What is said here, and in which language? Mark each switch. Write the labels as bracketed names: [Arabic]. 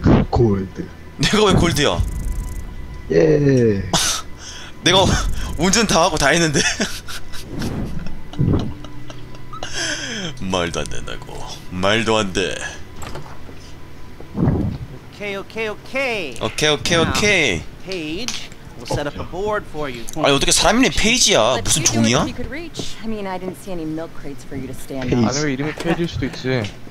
[Korean] 골드. 내가 왜 골드야? 예. 내가 운전 다 하고 다 했는데 말도 안 된다고 말도 안 돼. 오케이. [English] Paige, we'll set up a board for you. [Korean] 아니 어떻게 사람 이름이 페이지야? 무슨 종이야? [English] I mean, I didn't see any milk crates for you to stand. [Korean] 아니면 이름이 페이지일 수도 있지.